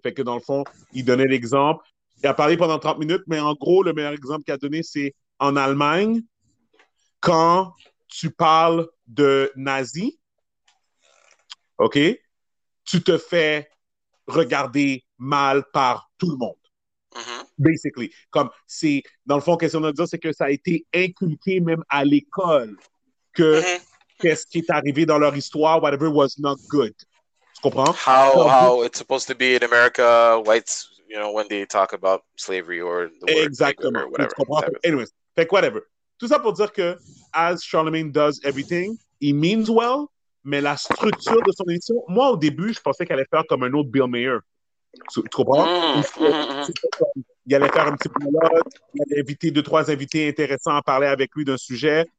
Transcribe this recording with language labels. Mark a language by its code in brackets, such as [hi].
[fr] Fait que dans le fond, il donnait l'exemple. Il a parlé pendant 30 minutes, mais en gros, le meilleur exemple qu'il a donné, c'est en Allemagne, quand tu parles de nazi, OK, tu te fais regarder mal par tout le monde. Basically. Comme c'est, dans le fond, question de dire, c'est que ça a été inculqué même à l'école que. Qu'est-ce qui est arrivé dans leur histoire, [en] whatever was not good. [fr] Tu comprends? Tandis. [en] How it's supposed to be in America, whites, you know, when they talk about slavery or the word nigger [fr] Exactement. [en] or [fr] Tu [en] whatever, [fr] comprends? [en] type of thing. Anyways, [fr] fait [en] whatever. [fr] Tout ça pour dire que, [en] as Charlemagne does everything, he means well, [fr] mais la structure de son émission, moi, au début, je pensais qu'elle allait faire comme un autre Bill Maher. Tu comprends? Où il allait faire un petit monologue, il allait inviter deux, trois invités intéressants à parler avec lui d'un sujet.